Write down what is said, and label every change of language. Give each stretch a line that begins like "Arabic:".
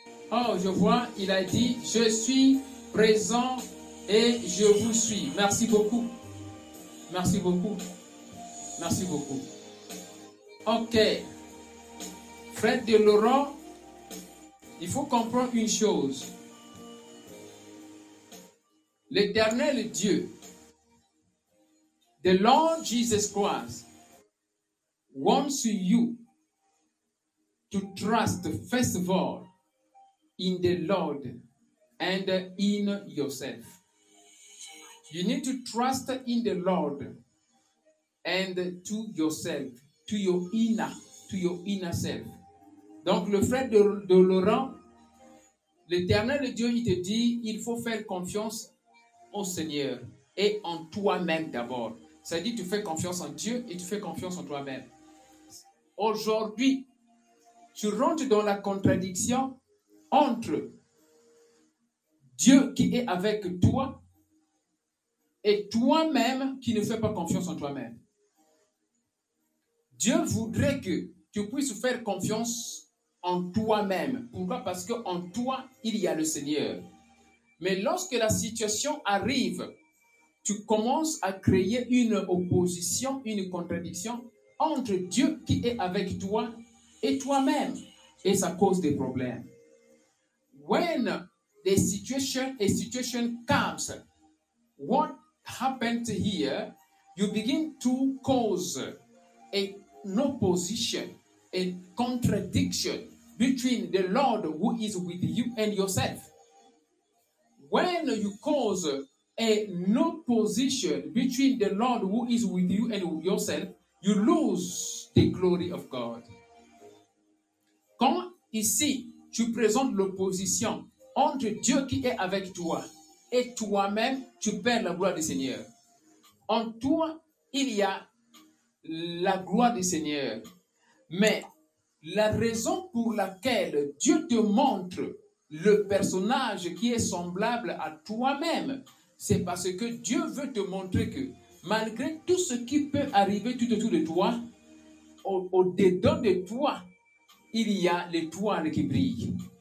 French: Oh, je vois, il a dit, je suis présent et je vous suis. Merci beaucoup. Merci beaucoup. Merci beaucoup. Ok. Frère De Laurent, il faut comprendre une chose.
English: L'éternel Dieu, the Lord Jesus Christ wants you to trust, first of all, in the Lord and in yourself. You need to trust in the Lord and to yourself, to your inner self.
French: Donc, le frère de Laurent, l'éternel Dieu, il te dit, il faut faire confiance au Seigneur et en toi-même d'abord. C'est-à-dire, tu fais confiance en Dieu et tu fais confiance en toi-même. Aujourd'hui, tu rentres dans la contradiction entre Dieu qui est avec toi et toi-même qui ne fais pas confiance en toi-même. Dieu voudrait que tu puisses faire confiance en toi-même. Pourquoi? Parce qu'en toi, il y a le Seigneur. Mais lorsque la situation arrive, tu commences à créer une opposition, une contradiction entre Dieu qui est avec toi et toi-même. Et ça cause des problèmes.
English: When the situation, a situation comes, what happened here, you begin to cause an opposition, a contradiction between the Lord who is with you and yourself. When you cause an opposition between the Lord who is with you and yourself, you lose the glory of God.
French: Quand ici, tu présentes l'opposition entre Dieu qui est avec toi et toi-même, tu perds la gloire du Seigneur. En toi, il y a la gloire du Seigneur. Mais la raison pour laquelle Dieu te montre le personnage qui est semblable à toi-même, c'est parce que Dieu veut te montrer que malgré tout ce qui peut arriver tout autour de toi, au-dedans de toi, il y a l'étoile qui brille.